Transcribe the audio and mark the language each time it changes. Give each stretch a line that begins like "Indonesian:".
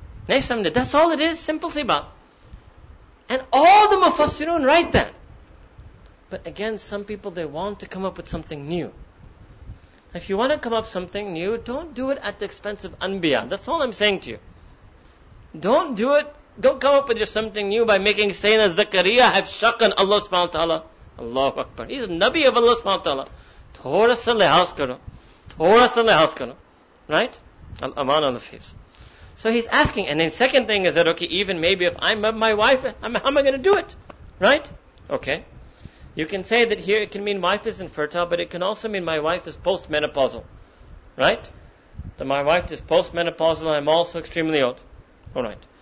English: Next time, that's all it is, simple seba. And all the mufassirun write that. But again, some people, they want to come up with something new. If you want to come up something new, don't do it at the expense of anbiya. That's all I'm saying to you. Don't do it. Don't come up with just something new by making Sayyidina Zakariya have shakan Allah subhanahu wa ta'ala. Allahu Akbar. He's a Nabi of Allah subhanahu wa ta'ala.
Urdu: تھوڑا سا لحاظ کرو۔ تھوڑا سا لحاظ کرو۔
English: Right? Al-aman al-fiz. So he's asking. And then second thing is that, okay, even maybe if I'm my wife, how am I going to do it? Right? Okay. You can say that here it can mean wife is infertile, but it can also mean my wife is postmenopausal. Right? That my wife is postmenopausal, I'm also extremely old. Alright.